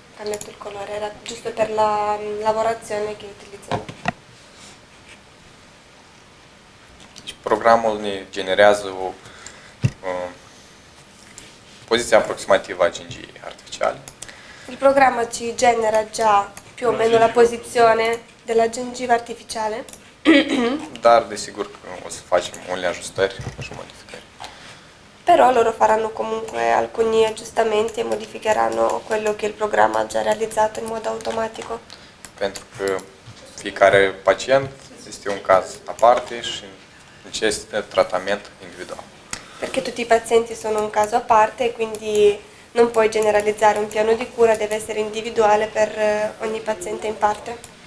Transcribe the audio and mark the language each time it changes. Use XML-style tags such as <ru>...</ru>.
<it>Cambiato il colore, era giusto per la lavorazione che utilizzavo.</it> <ro>scramul ne generează o poziție aproximativă a gingiei artificiale.</ro> <it>Il programma ci genera già più o meno la posizione della gengiva artificiale.</it> <ro>Dar desigur că o să facem unele ajustări și modificări.</ro> <it>Però loro faranno comunque alcuni aggiustamenti e modificheranno quello che il programma ha già realizzato in modo automatico.</it> <ro>Pentru că fiecare pacient este un caz aparte și necesită tratament individual.</ro> <it>Perché tutti i pazienti sono un caso a parte e quindi non puoi generalizzare un piano di cura, deve essere individuale per ogni paziente in parte.</it>